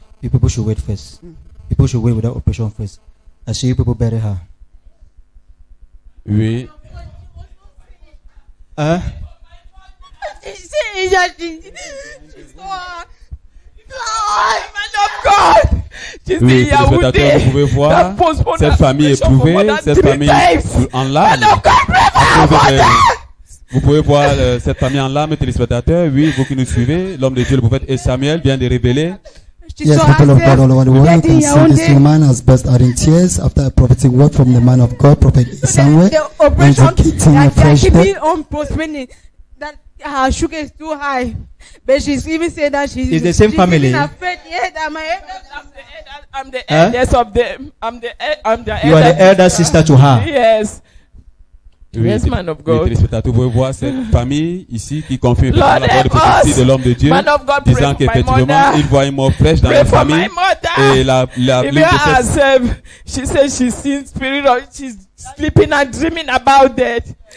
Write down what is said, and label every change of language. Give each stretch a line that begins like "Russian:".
English: You people should wait first. People should wait without operation first. I see you people bury her.
French: Oui.
English: She's saying that she's oh, man of God.
French: Oui, les spectateurs, vous pouvez voir cette famille éprouvée, cette famille en larmes. Vous pouvez voir cette famille en larmes, téléspectateurs. Oui, vous qui nous suivez, l'homme de Dieu, le prophète Samuel vient de révéler.
English: Yes, people of God all over the world, you can see this woman has burst out in tears after a prophetic word from the man of God, prophet Samuel, indicating a fresh death. Her sugar is too high. But she's even saying that she's in the same family. I'm the elder sister to her. Yes.
French: Oui,
English: yes, man of God.
French: Vous pouvez voir cette famille ici qui confirme par la voix de prophétie de l'homme de Dieu,
English: man of God,
French: disant qu'effectivement il voit une mort fraîche dans la famille. Et la lumière.
English: She says she's seen spirit, or she's sleeping and dreaming about death.